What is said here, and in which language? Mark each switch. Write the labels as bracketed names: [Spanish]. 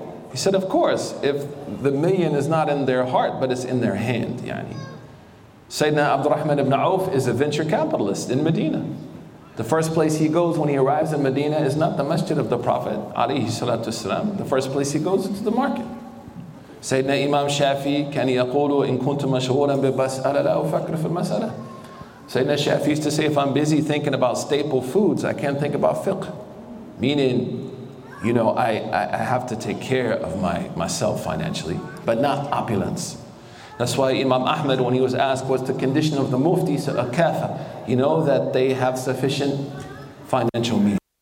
[English] He said, of course, if the million is not in their heart, but it's in their hand. Yani. Sayyidina Abdurrahman ibn Auf is a venture capitalist in Medina. The first place he goes when he arrives in Medina is not the masjid of the Prophet alayhi salatu wasalam. The first place he goes is to the market. [Arabic] Sayyidina Imam Shafi, كان يقول إن كنت مشغولا ببسألة لا أفكر في المسألة. [English] Sayyidina Shafi used to say, if I'm busy thinking about staple foods, I can't think about fiqh. Meaning, you know, I have to take care of myself financially, but not opulence. That's why Imam Ahmed, when he was asked what's the condition of the Mufti, so a kafa, you know, that they have sufficient financial means.